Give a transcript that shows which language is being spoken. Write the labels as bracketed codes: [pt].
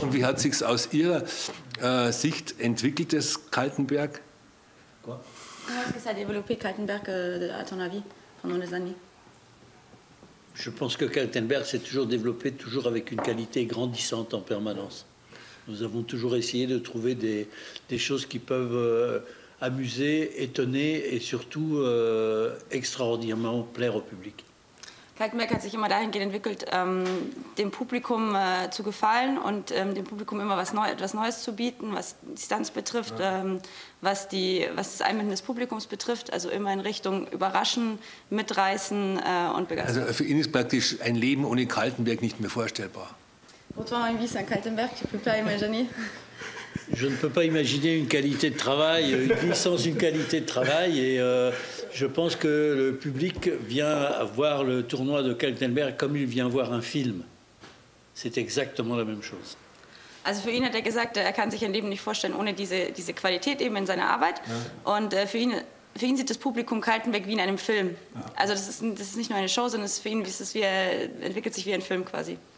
[de] Und wie hat sich's aus Ihrer Sicht entwickelt, das Kaltenberg? Wie hat sich entwickelt, Kaltenberg, [fr] à ton avis, [de] von ohne Sani? [fr] Je pense que Kaltenberg s'est toujours développé toujours avec une qualité grandissante en permanence. Nous avons toujours essayé de trouver des choses qui peuvent amuser, étonner et surtout extraordinairement plaire au public. [de] Kaltenberg hat sich immer dahingehend entwickelt, dem Publikum zu gefallen und dem Publikum immer etwas Neues zu bieten, was die Stunts betrifft, was das Einbinden des Publikums betrifft, also immer in Richtung überraschen, mitreißen und begeistern. Also für ihn ist praktisch ein Leben ohne Kaltenberg nicht mehr vorstellbar. [fr] Pour toi, [de] wie ist ein Kaltenberg? [fr] Tu peux pas imaginer? Je ne peux pas imaginer une qualité de travail, une vie sans une qualité de travail. Et je pense que le public vient voir le tournoi de Kaltenberg comme il vient voir un film. C'est exactement la même chose. [de] Also für ihn hat er gesagt, er kann sich ein Leben nicht vorstellen ohne diese Qualität eben in seiner Arbeit. Ja. Und für ihn sieht das Publikum Kaltenberg wie in einem Film. Ja. Also das ist nicht nur eine Show, sondern entwickelt sich wie ein Film quasi.